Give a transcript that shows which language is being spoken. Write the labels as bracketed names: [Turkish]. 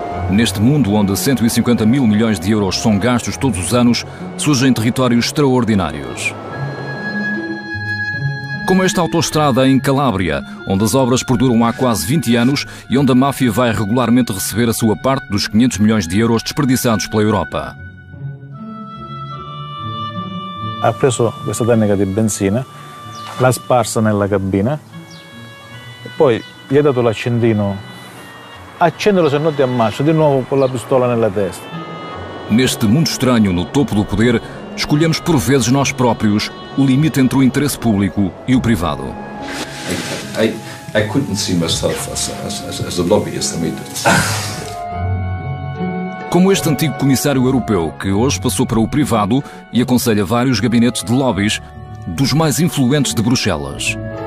[Portuguese] Neste mundo onde 150 mil milhões de euros são gastos todos os anos, surgem territórios extraordinários. Como esta autoestrada em Calábria, onde as obras perduram há quase 20 anos e onde a máfia vai regularmente receber a sua parte dos 500 milhões de euros desperdiçados pela Europa. [Italian] Ha preso questa tecnica di benzina, l'ha sparsa nella cabina, poi gli ha dato l'accendino. Accendelo se non ti ammazzo, di nuovo con la pistola nella testa. [Portuguese] Neste mundo estranho, no topo do poder, escolhemos por vezes nós próprios o limite entre o interesse público e o privado. [English] I couldn't see myself as a lobbyist. I mean, [Portuguese] como este antigo comissário europeu, que hoje passou para o privado e aconselha vários gabinetes de lobbies dos mais influentes de Bruxelas.